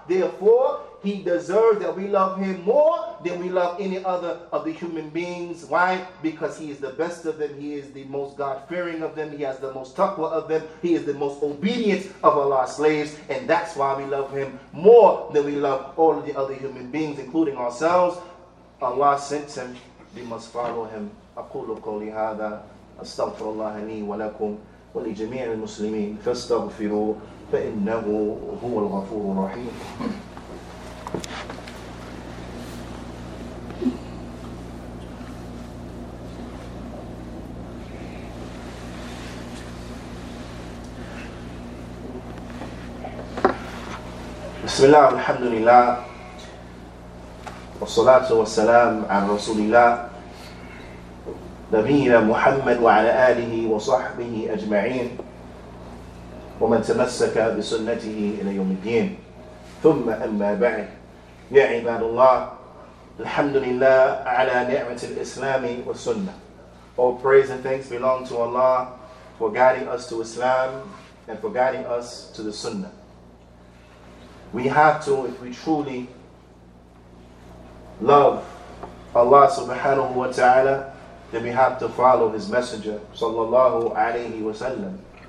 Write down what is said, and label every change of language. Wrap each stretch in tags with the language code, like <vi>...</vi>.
<en>Therefore, he deserves that we love him more than we love any other of the human beings. Why? Because he is the best of them. He is the most God-fearing of them. He has the most taqwa of them. He is the most obedient of Allah's slaves. And that's why we love him more than we love all of the other human beings, including ourselves. Allah sent him. We must follow him.</en> <ar>أقول قولي هذا أستغفر الله لي ولكم ولجميع المسلمين فاستغفروا فإنه هو الغفور الرحيم. بسم الله الحمد لله والصلاة والسلام على رسول الله نبينا محمد وعلى آله وصحبه أجمعين ومن تمسك بسنته إلى يوم الدين ثم أما بعد يا عباد الله الحمد لله على نعمة الإسلام والسنة.</ar> <en>All praise and thanks belong to Allah for guiding us to Islam and for guiding us to the Sunnah. We have to, if we truly love Allah subhanahu wa ta'ala, then we have to follow His Messenger sallallahu alayhi wa sallam.</en>